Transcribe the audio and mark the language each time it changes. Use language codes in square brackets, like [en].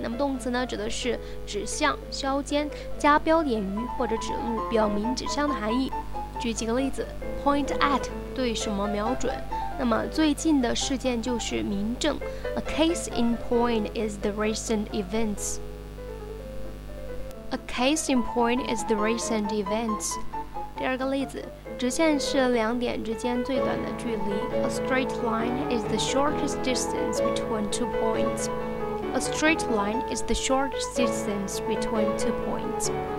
[zh] 那么动词呢，指的是指向、削尖、加标点于或者指路，表明指向的含义。举几个例子 ，point at 对什么瞄准？那么最近的事件就是民政。 [en] A case in point is the recent events. A case in point is the recent events. [zh] 第二个例子，直线是两点之间最短的距离。 [en] A straight line is the shortest distance between two points. A straight line is the shortest distance between two points.